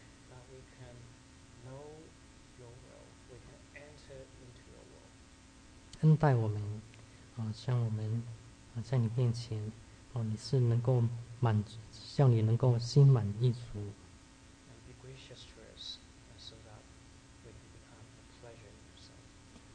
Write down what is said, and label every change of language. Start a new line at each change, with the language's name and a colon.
English: That we can know your will, we can enter into your will.
Chinese: 恩待我们，像我们在你面前，你是能够满足，叫你能够心满意足。
English: And be gracious to us, so that we can become a pleasure in yourself.